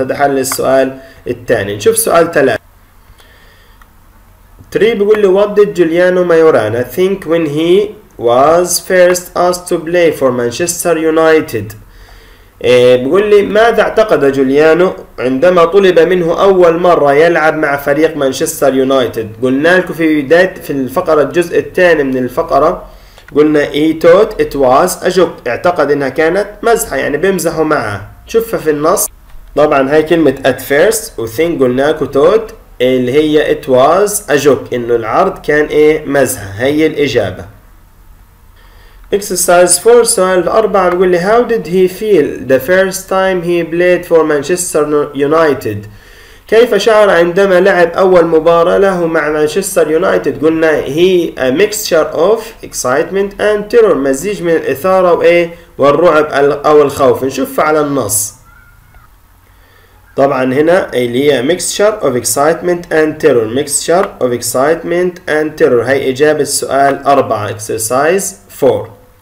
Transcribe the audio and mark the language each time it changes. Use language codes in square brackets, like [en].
[ar] هذا حل السؤال الثاني. نشوف سؤال 3 بيقول لي [en] what did Giuliano Maiorana think when he was first asked to play for Manchester United؟ [ar] بيقول لي ماذا اعتقد جوليانو عندما طلب منه اول مره يلعب مع فريق مانشستر يونايتد؟ قلنا لكم في بدايه في الفقره الجزء الثاني من الفقره، قلنا [en] I thought it was, اجب [ar] اعتقد انها كانت مزحه، يعني بيمزحوا معه. شوفها في النص، طبعا هاي كلمه [en] at first وثين، [ar] قلنا لكم [en] توت [ar] اللي هي [en] it was, اجب [ar] انه العرض كان ايه مزحه، هي الاجابه. [en] Exercise 4 [ar] سؤال 4 بيقول لي [en] How did he feel the first time he played for Manchester United؟ [ar] كيف شعر عندما لعب أول مباراة له مع مانشستر يونايتد؟ قلنا هي [en] a mixture of excitement and terror، [ar] مزيج من الإثارة والرعب أو الخوف. نشوف على النص، طبعا هنا اللي هي [en] mixture of excitement and terror، mixture of excitement and terror، [ar] هي إجابة سؤال 4 [en] exercise 4.